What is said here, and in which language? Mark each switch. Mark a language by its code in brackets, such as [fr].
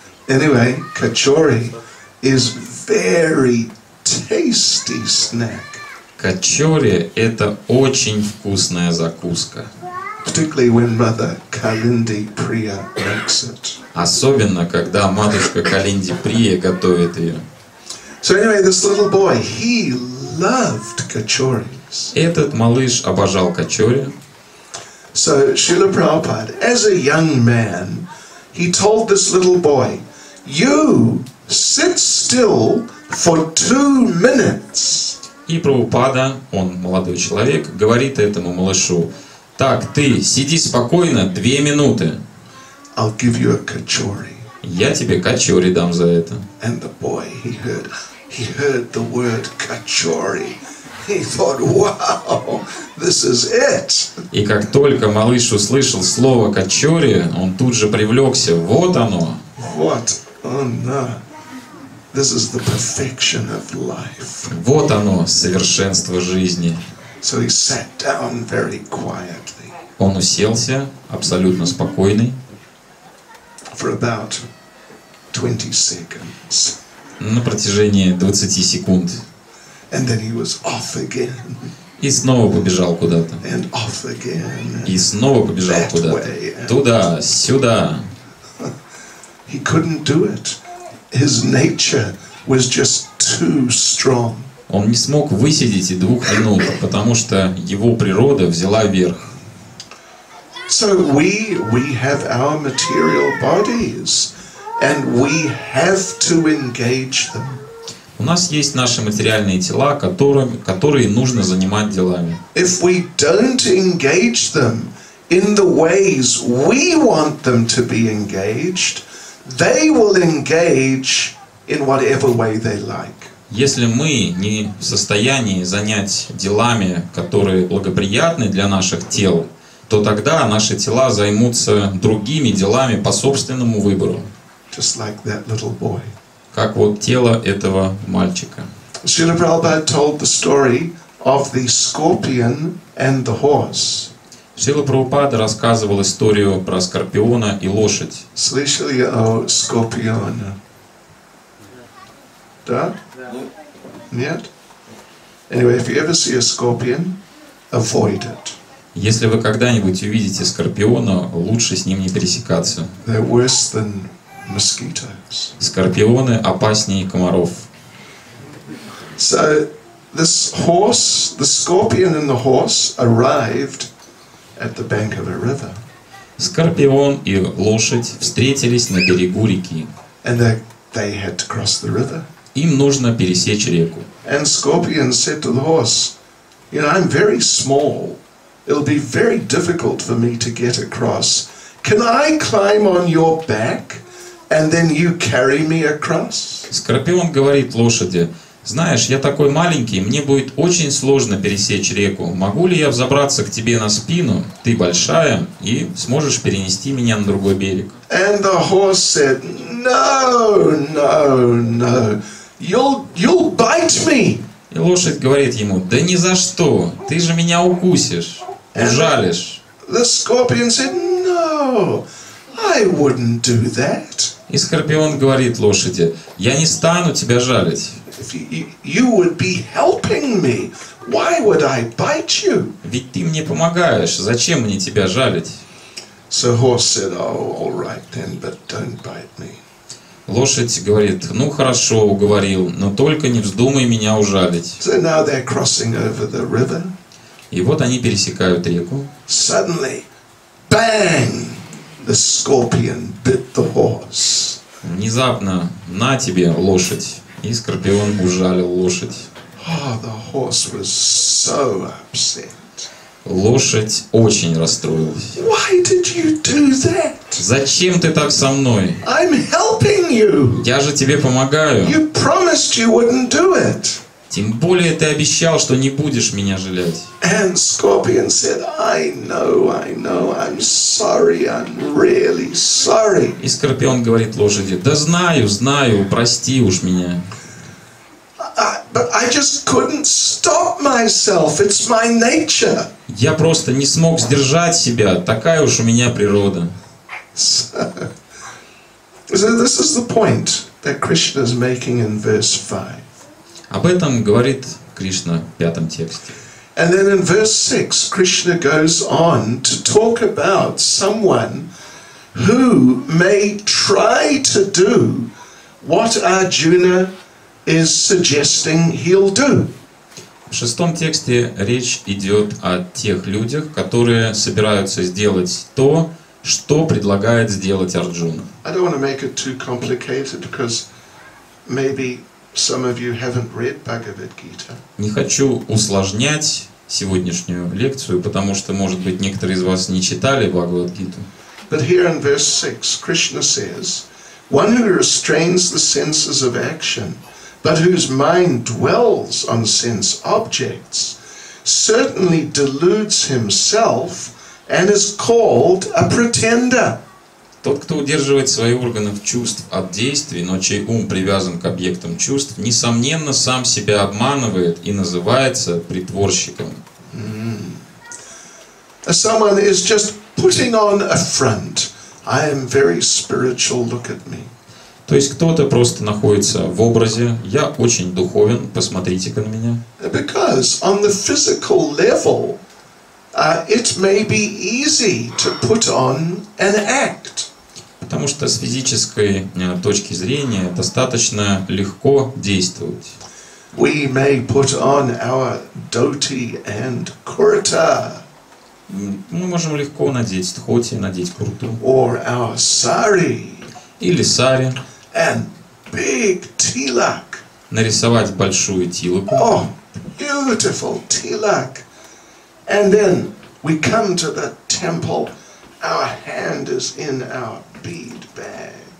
[en] Anyway, kachori is very tasty snack. [ru] Кочори – это очень вкусная закуска. [en] Particularly when Mother Kalindi Priya makes it. [ru] Особенно, когда матушка Калинди Прия готовит ее. [en] So anyway, this little boy, he loved kachoris. [ru] Этот малыш обожал кочори. [en] So Srila Prabhupada, as a young man, he told this little boy, you sit still for 2 minutes. [ru] И Прабхупада, он молодой человек, говорит этому малышу, так, ты сиди спокойно 2 минуты. [en] I'll give you a kachori. [ru] Я тебе качори дам за это. [en] And the boy, he heard the word kachori. He thought, wow, this is it. [ru] И как только малыш услышал слово качори, он тут же привлекся, вот оно. [en] What on earth? This is the perfection of life. [ru] Вот оно, совершенство жизни. [en] So he sat down very quietly. [ru] Он уселся абсолютно спокойный. [en] For about 20 seconds. [ru] На протяжении 20 секунд. [en] And then he was off again. [ru] И снова побежал куда-то. [en] And off again. [ru] И снова побежал куда-то. Туда, сюда. [en] He couldn't do it. His nature was just too strong. [ru] Он не смог высидеть и 2 минут, потому что его природа взяла верх. [en] So we have our material bodies, and we have to engage them. [ru] У нас есть наши материальные тела, которые нужно занимать делами. [en] If we don't engage them in the ways we want them to be engaged, they will engage in whatever way they like. [ru] Если мы не в состоянии занять делами, которые благоприятны для наших тел, то тогда наши тела займутся другими делами по собственному выбору. [en] Just like that little boy. [ru] Как вот тело этого мальчика. [en] Srila Prabhupada told the story of the scorpion and the horse. [ru] Srila Prabhupada рассказывал историю про скорпиона и лошадь. Слышали о скорпионе? Да? Нет? [en] Anyway, if you ever see a scorpion, avoid it. [ru] Если вы когда-нибудь увидите скорпиона, лучше с ним не пересекаться. [en] They're worse than mosquitoes. [ru] Скорпионы опаснее комаров. [en] So this horse, the scorpion and the horse arrived at the bank of a river. [ru] Скорпион и лошадь встретились на берегу реки. [en] And they had to cross the river. [ru] Им нужно пересечь реку. [en] And scorpion said to the horse, you know, I'm very small. It'll be very difficult for me to get across. Can I climb on your back and then you carry me across? [ru] Скорпион говорит лошади: знаешь, я такой маленький, мне будет очень сложно пересечь реку. Могу ли я взобраться к тебе на спину? Ты большая и сможешь перенести меня на другой берег. [en] And the horse said, no, no, no. You'll bite me. [ru] И лошадь говорит ему: да ни за что, ты же меня укусишь, ужалишь. [en] The scorpion said, no, I wouldn't do that. [ru] И скорпион говорит лошади: я не стану тебя жалить. [en] You would be helping me. Why would I bite you? [ru] Ведь ты мне помогаешь. Зачем мне тебя жалить? [en] So horse said, oh, all right then, but don't bite me. [ru] Лошадь говорит: ну хорошо, уговорил, но только не вздумай меня ужалить. [en] So now they're crossing over the river. [ru] И вот они пересекают реку. [en] Suddenly, bang! The scorpion bit the horse. [ru] Внезапно, на тебе, лошадь. И скорпион ужалил лошадь. [en] Oh, the horse was so upset. [ru] Лошадь очень расстроилась. [en] Why did you do that? [ru] Зачем ты так со мной? [en] I'm helping you. [ru] Я же тебе помогаю. [en] You promised you wouldn't do it. [ru] Тем более ты обещал, что не будешь меня жалеть. [en] And scorpion said, I know, I'm sorry, I'm really sorry. [ru] И скорпион говорит лошади: да знаю, знаю, прости уж меня. [en] But I just couldn't stop myself. It's my nature. [ru] Я просто не смог сдержать себя. Такая уж у меня природа. [en] So this is the point that Krishna is making in verse 5. [ru] Об этом говорит Кришна в пятом тексте. [en] And then in verse 6, Krishna goes on to talk about someone who may try to do what Arjuna is suggesting he'll do. [ru] В шестом тексте речь идет о тех людях, которые собираются сделать то, что предлагает сделать Арджуна. [en] I don't want to make it too complicated because maybe some of you haven't read Bhagavad Gita. [ru] Не хочу усложнять сегодняшнюю лекцию, потому что, может быть, некоторые из вас не читали Бхагавад Гиту. [en] But here in verse 6, Krishna says, one who restrains the senses of action, but whose mind dwells on sense objects, certainly deludes himself and is called a pretender. [ru] Тот, кто удерживает свои органы чувств от действий, но чей ум привязан к объектам чувств, несомненно, сам себя обманывает и называется притворщиком. [en] Someone is just putting on a front. I am very spiritual, look at me. [ru] То есть кто-то просто находится в образе: я очень духовен, посмотрите-ка на меня. [en] Because on the physical level, it may be easy to put on an act. [ru] Потому что с физической точки зрения достаточно легко действовать. [en] We may put on our dhoti and kurta. [ru] Мы можем легко надеть дхоти, надеть курту. [en] Or our sari. [ru] Или сари. [en] And big tilak. [ru] Нарисовать большую тилаку. [en] Oh, beautiful tilak. And then we come to the temple. Our hand is in our bead bag.